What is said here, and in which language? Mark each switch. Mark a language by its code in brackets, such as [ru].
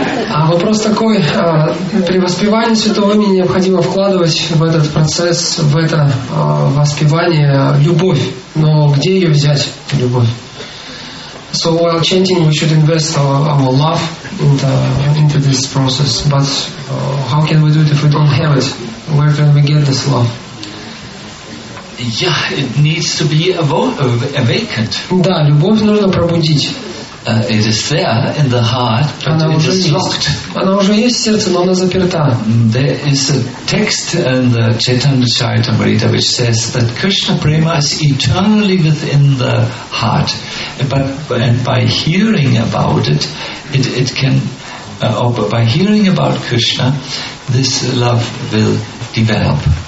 [ru] А вопрос такой, при воспевании святого имени необходимо вкладывать в этот процесс, в это воспевание любовь. Но где ее взять, любовь? [en] So while chanting, we should invest our love into this process. But How can we do it if we don't have it? Where can we get this love? Yeah, it needs to be awakened. [ru] Да, любовь нужно пробудить. [en] It is there in the heart, but [ru] она [en] it is locked. [ru] Она уже есть в сердце, но она заперта. [en] There is a text in the Chaitanya Charitamrita which says that Krishna prema is eternally within the heart, and by hearing about it, it can, or by hearing about Krishna, this love will develop.